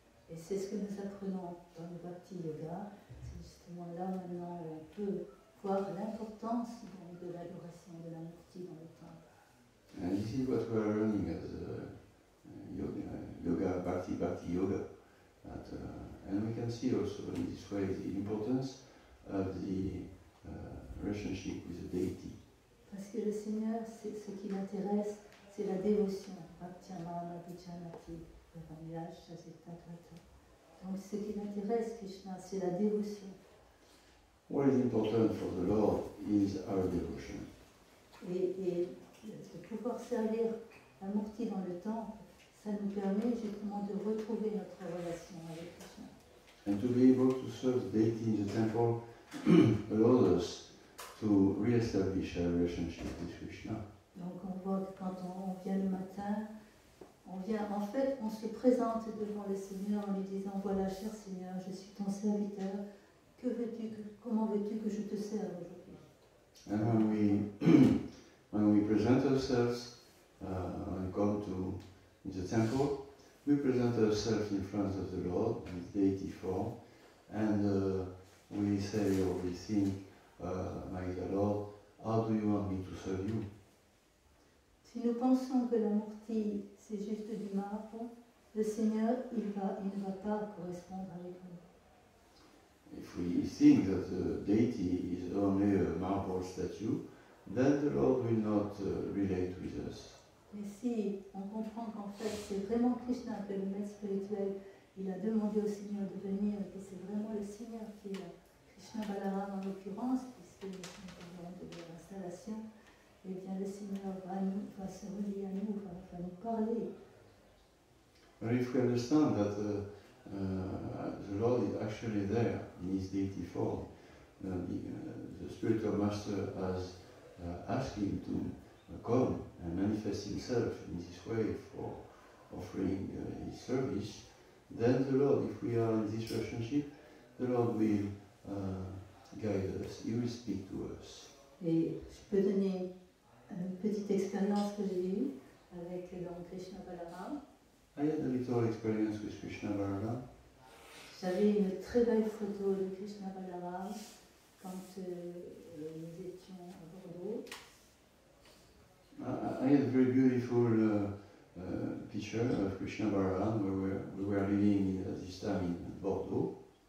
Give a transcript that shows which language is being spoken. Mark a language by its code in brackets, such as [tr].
[fr] Et c'est ce que nous apprenons dans le Bhakti Yoga, c'est justement là maintenant où on peut voir l'importance de l'adoration de la Murti dans le temple. [en] And this is what we are learning as Bhakti Yoga. And we can see also in this way the importance of the relationship with the deity. [fr] Parce que le Seigneur, c'est ce qui l'intéresse, c'est la dévotion. Bhaktiamana, Bhijanati, Bhavanyash, Chasitatvata. Donc ce qui l'intéresse, Krishna, c'est la dévotion. [en] What is important for the Lord is our devotion. [fr] Et de pouvoir servir la Murti dans le temple, ça nous permet justement de retrouver notre relation avec Krishna. [en] And to be able to serve the deity in the temple allows us to re-establish our relationship with Krishna. [fr] Donc on voit que quand on vient le matin, on vient, en fait, on se présente devant le Seigneur en lui disant, voilà, cher Seigneur, je suis ton serviteur, que veux-tu, comment veux-tu que je te serve aujourd'hui? [en] And when we, when we present ourselves, and come to in the temple, we present ourselves in front of the Lord, in the deity form, and we say or we think, my dear Lord, how do you want me to serve you? [fr] Si nous pensons que la Murti, c'est juste du marbre, le Seigneur, il ne va pas correspondre avec nous. [en] If we think that the deity is only a marble statue, then the Lord will not relate with us. [fr] Mais si on comprend qu'en fait c'est vraiment Krishna que le maître spirituel, il a demandé au Seigneur de venir, et que c'est vraiment le Seigneur qui est Krishna Balaram en l'occurrence, puisque nous sommes parlant de l'installation, eh bien le Seigneur va, nous, va se relier à nous, va nous parler. [en] But if we understand that the Lord is actually there in his deity form, the spiritual master has asked him to come and manifest himself in this way for offering his service, then the Lord, if we are in this relationship, the Lord will guide us, he will speak to us. [fr] Et je peux donner une petite expérience que j'ai eue avec donc, Krishna Balaram. [en] I had a little experience with Krishna Balaram. [fr] J'avais une très belle photo de Krishna Balaram quand nous étions à Bordeaux. [en] I had a very beautiful picture of Krishna Balaram where we were living at this time in Bordeaux.